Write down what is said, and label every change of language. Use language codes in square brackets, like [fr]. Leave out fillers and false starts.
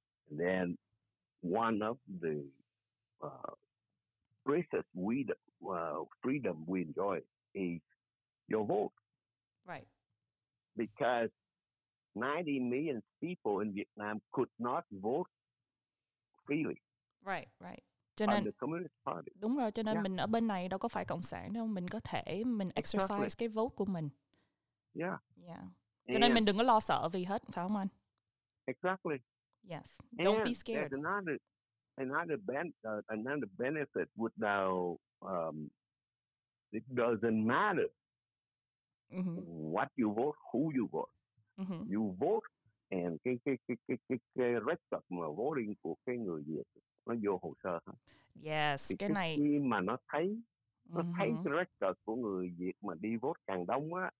[en] Then one of the greatest freedom we enjoy is your vote. Right. Because 90 million people in Vietnam could not vote freely. Right. [vi] Cho nên, [en] the Communist Party. [vi] Đúng rồi, cho nên mình ở bên này đâu có phải cộng sản đâu. Mình có thể, mình exercise cái vote của mình. [en] Yeah. Yeah. [vi] Cho nên mình đừng có lo sợ vì hết, phải không anh? [en] Exactly. Yes. Don't be scared. Another benefit would now, it doesn't matter what you vote, who you vote. Mm-hmm. You vote and [vi] cái record mà voting của cái người Việt nó vô hồ sơ. [en] Yes, [vi] thì cái này. Khi mà nó thấy cái record của người Việt mà đi vote càng đông á.